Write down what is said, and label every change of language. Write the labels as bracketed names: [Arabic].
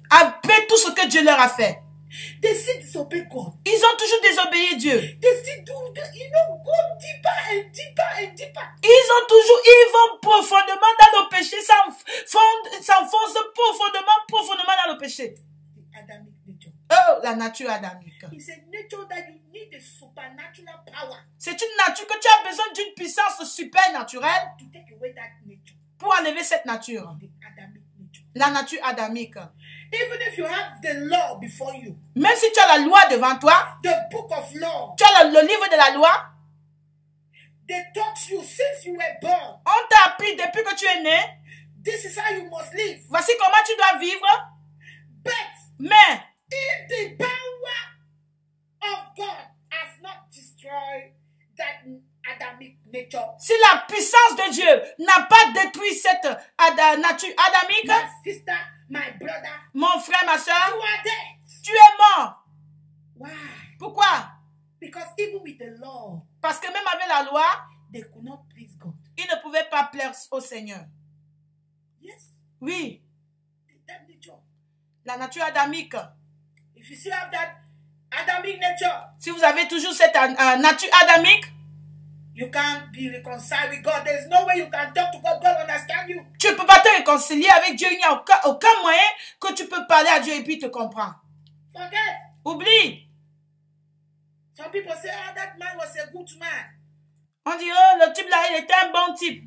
[French] Après tout ce que Dieu leur a fait. [English] They still disobey God. [French] Ils ont toujours désobéi Dieu. [English] They still do, you know, go deeper and deeper and deeper. [French] Ils ont toujours, ils vont profondément dans le péché, s'enfoncent profondément, profondément dans le péché. [English] Adamic nature. [French] Oh, la nature adamique. [English] It's a nature that you need a supernatural power. [French] C'est une nature que tu as besoin d'une puissance supernaturelle. [English] To take away that nature. [French] Pour enlever cette nature. La nature adamique. [English] Even if you have the law before you, [French] même si tu as la loi devant toi, [English] the book of law, [French] tu as le livre de la loi, [English] they taught you since you were born, [French] on t'a appris depuis que tu es né, [English] this is how you must live. [French] Voici comment tu dois vivre. [English] But [French] mais [English] if the power of God has not destroyed that Adamic nature, [French] si la puissance de Dieu n'a pas détruit cette nature adamique, [English] my sister, my brother, [French] mon frère, ma soeur, [English] you are dead. [French] Tu es mort. [English] Why? [French] Pourquoi? [English] Because even with the law, [French] parce que même avec la loi, [English] they could not please God. [French] Ils ne pouvaient pas plaire au Seigneur. [English] Yes. [French] Oui. [English] That nature. [French] La nature adamique. [English] If you still have that Adamic nature, [French] si vous avez toujours cette nature adamique, [English] you can't be reconciled with God. There's no way you can talk to God. God understand you. [French] Tu peux pas te réconcilier avec Dieu. Il n'y a aucun moyen que tu peux parler à Dieu et puis te comprendre. [English] Forget. [French] Oublie. [English] Some people say, oh, that man was a good man. [French] On dit, oh, le type là, il était un bon type.